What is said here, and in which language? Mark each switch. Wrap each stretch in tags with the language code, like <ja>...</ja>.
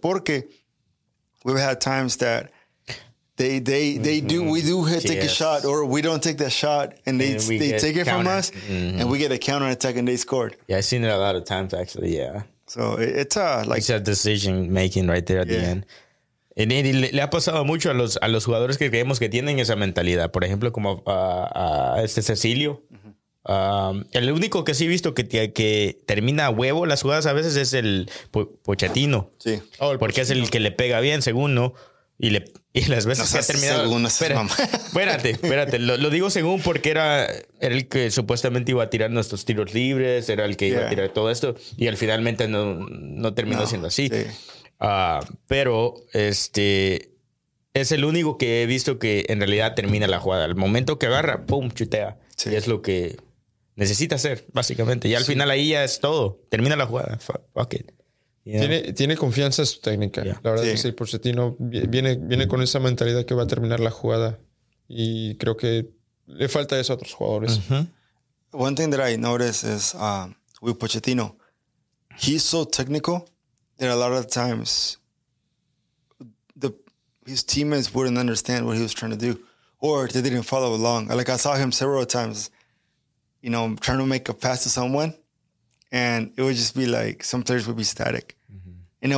<en>Porque we've had times that we take a shot or we don't take that shot and they take it from us mm-hmm. and we get a counter attack and they scored. Yeah, I've seen it a lot of times actually, yeah. So it's a decision making right there at the end.</en> <es>Le ha pasado mucho a los jugadores que creemos que tienen esa mentalidad. Por ejemplo, como a Cecilio. El único que sí he visto que termina a huevo las jugadas a veces es el Pochettino. Sí. Oh, porque es el que le pega bien, según, ¿no? Y las veces que ha terminado... Espérate. Lo digo según porque era el que supuestamente iba a tirar nuestros tiros libres, era el que iba a tirar todo esto. Y al finalmente no terminó siendo así. Sí. Pero es el único que he visto que en realidad termina la jugada. Al momento que agarra, pum, chutea. Sí. Y es lo que necesita hacer, básicamente. Y al final ahí ya es todo. Termina la jugada.</es> <en>Fuck it.</en> <es>Tiene confianza en su técnica. Yeah. La verdad es que el Pochettino viene con esa mentalidad que va a terminar la jugada. Y creo que le falta eso a otros jugadores. Uh-huh.</es> <en>One thing that I notice is with Pochettino, he's so technical. And a lot of times, his teammates wouldn't understand what he was trying to do, or they didn't follow along. Like I saw him several times, you know, trying to make a pass to someone, and it would just be like some players would be static, mm-hmm.</en>